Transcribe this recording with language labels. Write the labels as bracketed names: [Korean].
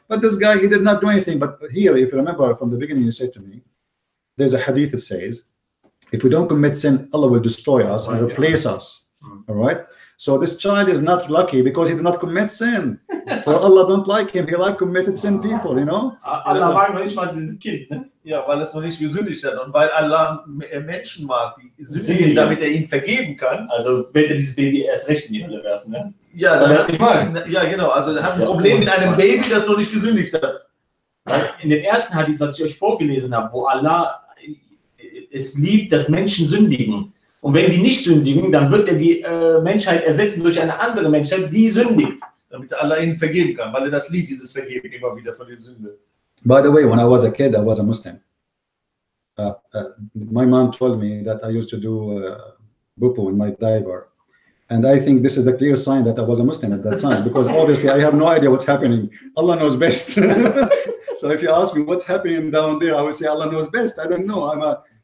[English] But this guy, he did not do anything. But here, if you remember from the beginning, you said to me, there's a hadith that says, if we don't commit sin, Allah will destroy us and replace us. All right. So this child is not lucky because he did not commit sin. For Allah don't like him. He like committed sin people, you know? [German] Allah mag noch nicht mal dieses Kind, ne? Ja, weil es noch nicht gesündigt hat. Und weil Allah Menschen mag, die sündigen, damit ihn vergeben kann. Also wird dieses Baby erst recht in die Hölle werfen, ne? Ja, genau. Also er hat ein Problem mit einem Baby, das noch nicht gesündigt hat. In dem ersten Hadith, was ich euch vorgelesen habe, wo Allah es liebt, dass Menschen sündigen. Und wenn die nicht sündigen, dann wird er die Menschheit ersetzen durch eine andere Menschheit, die sündigt. Damit Allah ihnen vergeben kann, weil er das liebt, dieses Vergeben immer wieder von den Sünden. [English] By the way, when I was a kid, I was a Muslim. My mom told me that I used to do bupu in my diaper. And I think this is the clear sign that I was a Muslim at that time. Because obviously, I have no idea what's happening. Allah knows best. So if you ask me what's happening down there, I would say Allah knows best. I don't know. I'm a...